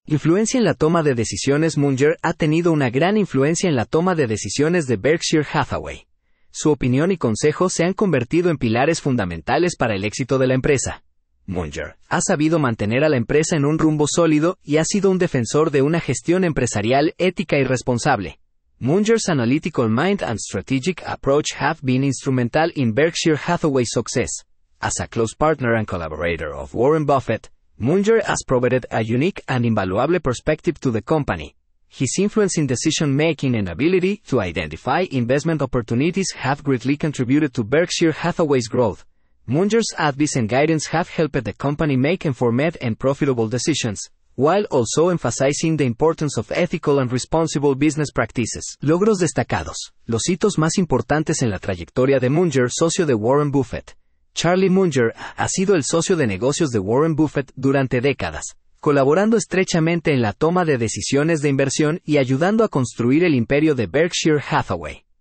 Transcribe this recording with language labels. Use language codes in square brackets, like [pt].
[es] Influencia en la toma de decisiones. Munger ha tenido una gran influencia en la toma de decisiones de Berkshire Hathaway. Su opinión y consejo se han convertido en pilares fundamentales para el éxito de la empresa. Munger ha sabido mantener a la empresa en un rumbo sólido y ha sido un defensor de una gestión empresarial ética y responsable. [en] Munger's analytical mind and strategic approach have been instrumental in Berkshire Hathaway's success. As a close partner and collaborator of Warren Buffett, Munger has provided a unique and invaluable perspective to the company. His influence in decision-making and ability to identify investment opportunities have greatly contributed to Berkshire Hathaway's growth. Munger's advice and guidance have helped the company make informed and profitable decisions, while also emphasizing the importance of ethical and responsible business practices. [es] Logros destacados. Los hitos más importantes en la trayectoria de Munger, socio de Warren Buffett. Charlie Munger ha sido el socio de negocios de Warren Buffett durante décadas, colaborando estrechamente en la toma de decisiones de inversión y ayudando a construir el imperio de Berkshire Hathaway.